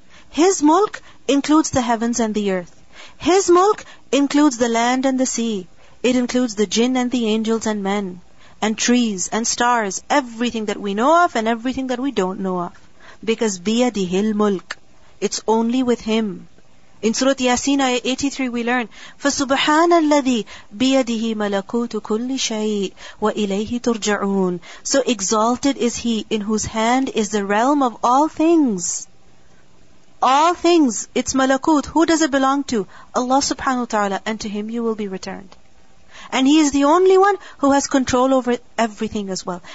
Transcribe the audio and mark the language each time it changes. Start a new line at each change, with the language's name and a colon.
English: His mulk includes the heavens and the earth. His mulk includes the land and the sea. It includes the jinn and the angels and men. and trees and stars, everything that we know of and everything that we don't know of. Because
Arabic: بِيَدِهِ الْمُلْكِ,
English: it's only with Him. In Surah Yasin, ayah 83, we learn,
Arabic: فَسُبْحَانَ الَّذِي بِيَدِهِ مَلَكُوتُ كُلِّ شَيْءٍ وَإِلَيْهِ تُرْجَعُونَ.
English: So exalted is He in whose hand is the realm of all things. All things, it's malakut. Who does it belong to? Allah subhanahu wa ta'ala, and to Him you will be returned. And He is the only one who has control over everything as well.